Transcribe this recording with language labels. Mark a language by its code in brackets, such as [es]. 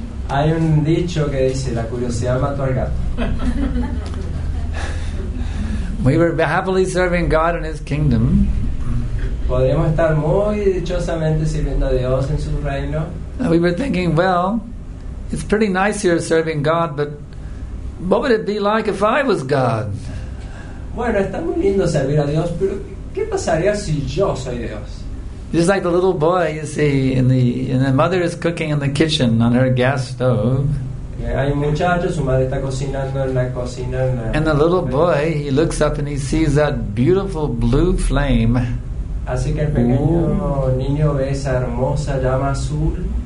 [es] Hay un dicho que dice, la curiosidad mató al gato. [en] We were happily serving God in His kingdom. [es] Podemos estar muy dichosamente sirviendo a Dios en su reino. [en] We were thinking, well, it's pretty nice here serving God, but what would it be like if I was God? [es] Bueno, está muy lindo servir a Dios, pero ¿qué pasaría si yo soy Dios? [en] Just like the little boy, you see, and the mother is cooking in the kitchen on her gas stove. [es] Hay un muchacho, su madre está cocinando en la cocina. [en] And the little boy, he looks up and he sees that beautiful blue flame. [es] Así que el pequeño niño ve esa hermosa llama azul.